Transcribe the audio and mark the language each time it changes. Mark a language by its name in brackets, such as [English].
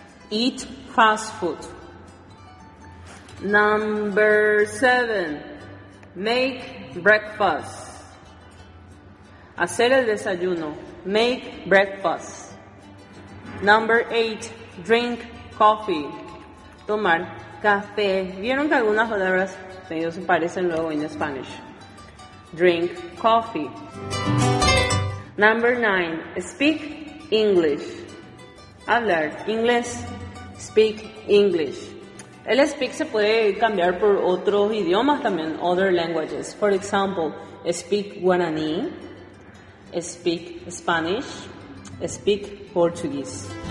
[English] Eat fast food. Number seven, make breakfast. [Spanish] Hacer el desayuno. [English] Make breakfast. Number eight, drink coffee. [Spanish] Tomar café. ¿Vieron que algunas palabras medio se parecen luego en Spanish? [English] Drink coffee. Number nine, speak English. [Spanish] Hablar inglés, [English] speak English. [Spanish] El speak se puede cambiar por otros idiomas también, [English] other languages. For example, speak Guaraní, speak Spanish, speak Portuguese.